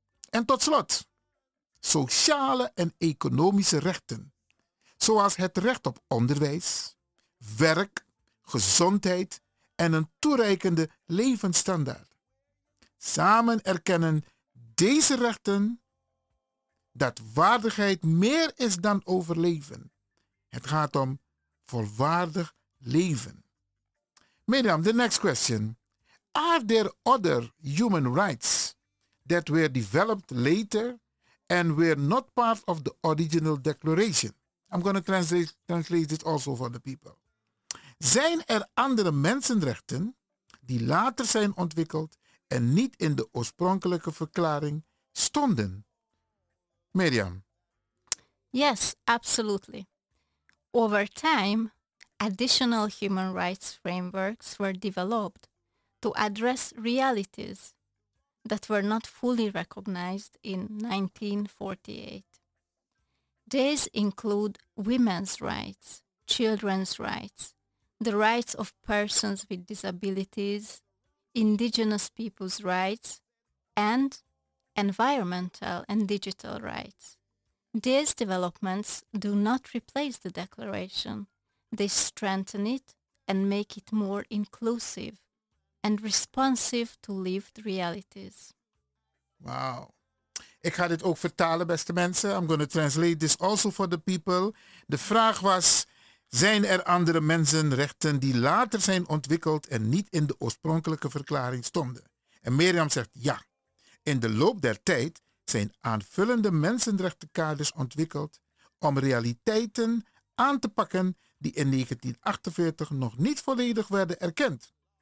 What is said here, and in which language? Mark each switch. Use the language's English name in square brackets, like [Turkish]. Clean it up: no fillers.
[Dutch] En tot slot, sociale en economische rechten, zoals het recht op onderwijs, werk, gezondheid en een toereikende levensstandaard. Samen erkennen deze rechten dat waardigheid meer is dan overleven. Het gaat om volwaardig leven. [English] Miriam, the next question. Are there other human rights that were developed later and were not part of the original declaration? I'm going to translate this also for the people. [Dutch] Zijn er andere mensenrechten die later zijn ontwikkeld en niet in de oorspronkelijke verklaring stonden? Miriam. [English] Yes, absolutely. Over time, additional human rights frameworks were developed to address realities that were not fully recognized in 1948. These include women's rights, children's rights, the rights of persons with disabilities, indigenous people's rights, and environmental and digital rights. These developments do not replace the Declaration. They strengthen it and make it more inclusive and responsive to lived realities. Wow. [Dutch] Ik ga dit ook vertalen, beste mensen. [English] I'm going to translate this also for the people. [Dutch] De vraag was, zijn er andere mensenrechten die later zijn ontwikkeld en niet in de oorspronkelijke verklaring stonden? En Mirjam zegt ja. In de loop der tijd zijn aanvullende mensenrechtenkaders ontwikkeld om realiteiten aan te pakken die in 1948 nog niet volledig werden erkend.